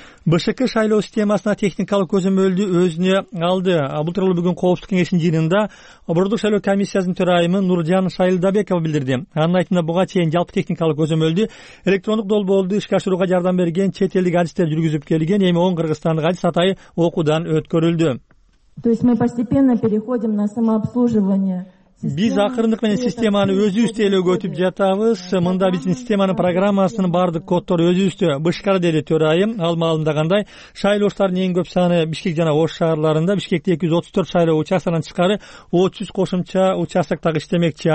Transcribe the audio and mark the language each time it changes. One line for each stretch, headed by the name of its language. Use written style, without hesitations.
Kyrgyz: БШК шайлоо системасына техникалык көзөмөлдү өзүнө алды. Бул тууралуу бүгүн коопсуздук кеңештин жыйынында Бурундук шайлоо комиссиясынын төрайымы Нуржан Шайылдабеков билдирди. Анын айтымында буга чейин жалпы техникалык көзөмөлдү электрондук долбоорду ишке ашырууга жардам берген чет элдик адистер жүргүзүп келген, эми 10 кыргызстандык адис атайы окуудан өткөрүлдү.
Russian: То есть мы постепенно переходим на самообслуживание.
Kyrgyz: Биз акырындык менен системаны өзү иштөөгө өтүп жатабыз. Мында биздин системанын программасынын бардык коддору өзү иштө. БШКда, деди төрайым, ал маалымдагандай шайлоочулардын эң көп саны Бишкек жана Ош шаарларында. Бишкекте 234 шайлоо участкасынан тышкары 300 кошумча участок так иштемекчи.